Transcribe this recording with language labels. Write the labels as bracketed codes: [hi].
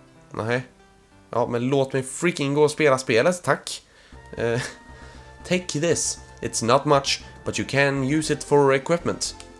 [sv] Nej. Ja, men låt mig freaking gå och spela spelet, tack. [en] Take this. It's not much, but you can use it for equipment.